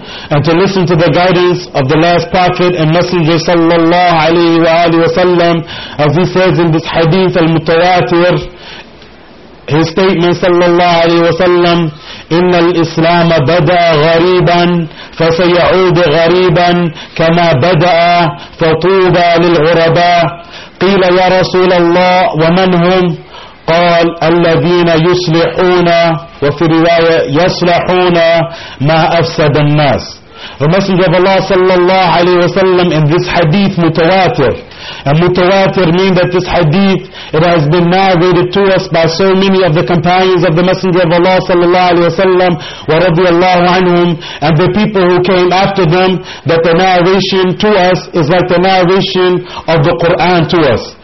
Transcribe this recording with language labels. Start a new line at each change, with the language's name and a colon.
English: And to listen to the guidance of the last prophet and messenger sallallahu alayhi wa alayhi wa sallam, as he says in this hadith al-mutawatir, his statement sallallahu alayhi wa sallam,
Arabic: إن الإسلام بدأ غريبا فسيعود غريبا كما بدأ فطوبى للغرباء. قيل يا رسول الله ومن هم؟ قال الذين يصلحون وفي رواية يصلحون ما أفسد الناس.
English: The Messenger of Allah sallallahu alayhi wa sallam in this hadith mutawatir. And mutawatir means that this hadith, it has been narrated to us by so many of the companions of the Messenger of Allah sallallahu alayhi wa sallam wa radiyallahu anhum and the people who came after them, that the narration to us is like the narration of the Quran to us.